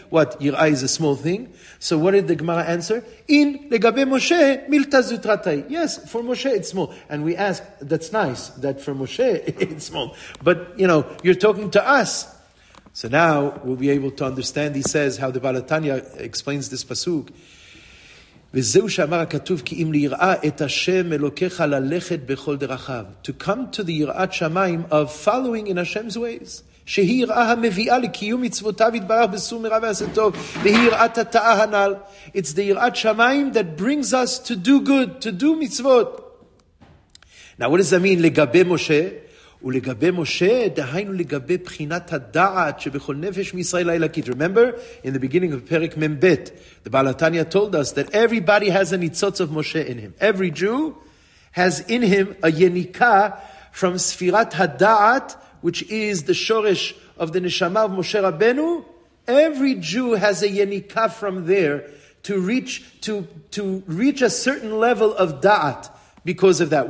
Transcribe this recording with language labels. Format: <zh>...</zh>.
<en>What, Yira is a small thing? So what did the Gemara answer? In</en> <arc>Legabe Moshe Milta Zutratai.</arc> <en>Yes, for Moshe it's small. And we ask, that's nice, that for Moshe it's small. But, you know, you're talking to us. So now we'll be able to understand, he says, how the Baal HaTanya explains this Pasuk.</en> <he>וזהו שאמר הכתוב כי אם ליראה את השם אלוקיך ללכת בכל דרכיו.</he> <en>To come to the יראת שמיים of following in Hashem's ways.</en> <he>שהיא יראה המביאה לקיום מצוותיו יתברך בסור מרע ועשה טוב. והיא יראת התאה הנ"ל.</he> <en>It's the יראת שמיים that brings us to do good, to do מצוות. Now what does that mean</en> <he>לגבי משה? ולגבי משה, דהיינו לגבי בחינת הדעת שבכל נפש מישראל הילקית.</he> <en>Remember, in the beginning of פרק מ"ב, the Baal HaTanya told us that everybody has a ניצוץ of Moshe in him. Every Jew has in him a yenika from ספירת הדעת, which is the shoresh of the neshama of Moshe Rabbeinu, every Jew has a yenika from there to reach a certain level of da'at because of that.</en>